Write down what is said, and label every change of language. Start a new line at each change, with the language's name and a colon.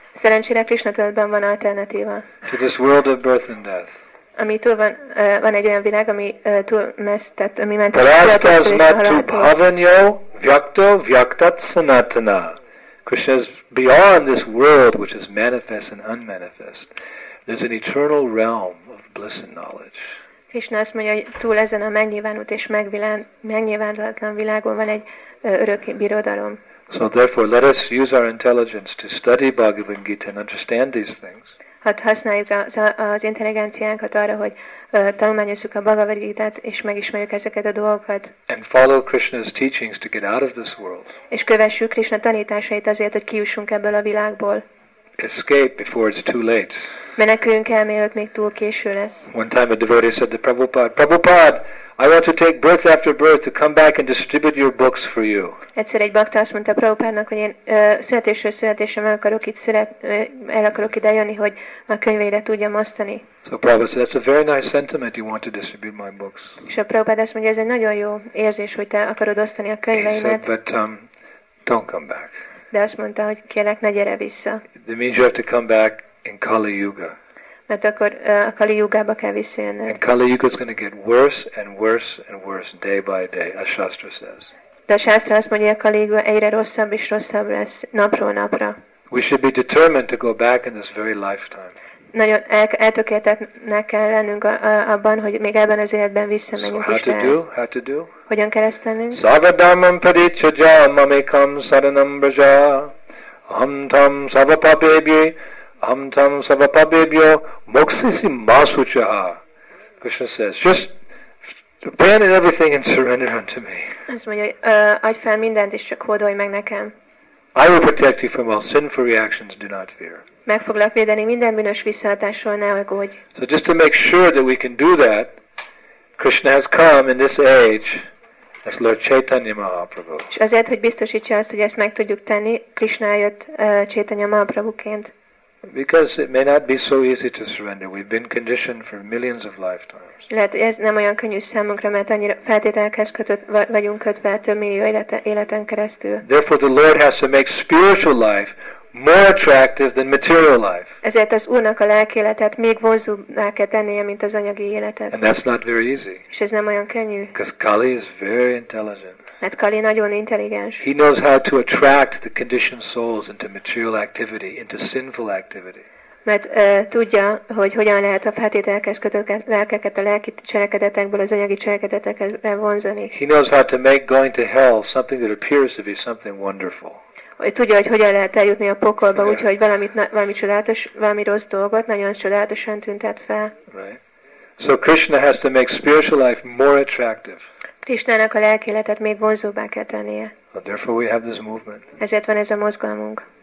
Hungarian: Szerencsére Krishna tudatban van alternatíva.
English: To this world of birth and death.
Hungarian: Ami túl van, van egy olyan világ, ami túl messze, tehát ami ment.
Sanskrit: Parastas matu bhavanyo vyakto vyaktat sanatana.
English: Krishna is beyond this world, which is manifest and unmanifest. There's an eternal realm of bliss and knowledge.
Hungarian: Krishna azt mondja, hogy túl ezen a megnyilvánult és megnyilvánulatlan világon van egy örök birodalom.
English: So therefore, let us use our intelligence to study Bhagavad Gita and understand these things.
Hungarian: Hát használjuk az intelligenciánkat arra, hogy tanulmányozzuk a Bhagavad Gita-t és megismerjük ezeket a dolgokat.
English: And follow Krishna's teachings to get out of this world.
Hungarian: És kövessük Krishna tanításait azért, hogy kiussunk ebből a világból.
English: Escape before it's too late.
Hungarian: Meneküljünk el, mielőtt még túl késő lesz.
English: One time a devotee said to Prabhupada, Prabhupada, I want to take birth after birth to come back and distribute your books for you.
Hungarian: Egyszer egy bakta azt mondta Prabhupádnak, hogy én születésről születésre el akarok ide jönni, hogy a könyveidet tudjam osztani.
English: So Prabhupada said, that's a very nice sentiment, you want to distribute my books.
Hungarian: És a Prabhupád azt mondja, ez egy nagyon jó érzés, hogy te akarod osztani a könyveimet.
English: He said, but don't come back.
Hungarian: De azt mondta, hogy kérlek, ne gyere vissza.
English: It means you have to come back in Kali Yuga.
Hungarian: Mert akkor a Kali Yugába kell visszajönni.
English: And Kali Yuga is going to get worse and worse and worse day by day, as Shastra says.
Hungarian: De a Shastra azt mondja, a Kali Yuga egyre rosszabb és rosszabb lesz napról napra.
English: We should be determined to go back in this very lifetime.
Hungarian: Nagyon eltökéletnek kell lennünk abban, hogy még ebben az életben visszamenjünk Istenhez.
English: So how to do?
Hungarian: Hogyan kell ezt tennünk?
Sanskrit: Sarvadharmam paricchaja mamekam saranam braja aham tam sarvapapebhye aham tam sarvapapebhyo moksisi masuchaha.
English: Krishna says, just abandon everything and surrender unto me.
Hungarian: Azt mondja, adj fel mindent és csak hódolj meg nekem.
English: I will protect you from all sinful reactions, do not fear.
Hungarian: Meg foglak védeni minden bűnös visszahatásról, ne aggódj.
English: So just to make sure that we can do that, Krishna has come in this age as Lord Chaitanya Mahaprabhu.
Hungarian: És azért, hogy biztosítsa azt, hogy ezt meg tudjuk tenni, Krishna eljött Chaitanya Mahaprabhuként.
English: Because it may not be so easy to surrender. We've been conditioned for millions of lifetimes.
Hungarian: Lehet, ez nem olyan könnyű számunkra, mert annyira feltételekhez kötött, vagyunk kötve több millió életen keresztül.
English: Therefore the Lord has to make spiritual life more attractive than material life.
Hungarian: Ezért az Úrnak a lelki életet még vonzóbbá kell tennie, mint az anyagi életet.
English: And that's not very easy.
Hungarian: És ez nem olyan könnyű.
English: Because Kali is very intelligent.
Hungarian: Mert Kali nagyon intelligens.
English: He knows how to attract the conditioned souls into material activity, into sinful activity.
Hungarian: Mert tudja, hogy hogyan lehet a feltételekhez kötött lelkeket a lelki cselekedetekből az anyagi cselekedetekhez vonzani.
English: He knows how to make going to hell something that appears to be something wonderful.
Hungarian: Hogy tudja, hogy hogyan lehet eljutni a pokolba, yeah. Úgyhogy valami csodálatos, valami rossz dolgot nagyon csodálatosan tüntet fel.
English: Right. So Krishna has to make spiritual life more attractive.
Hungarian: Krisnának a lelki életet még vonzóbbá kell tennie.
English: And therefore we have this movement.
Hungarian: Ezért van ez a mozgalmunk.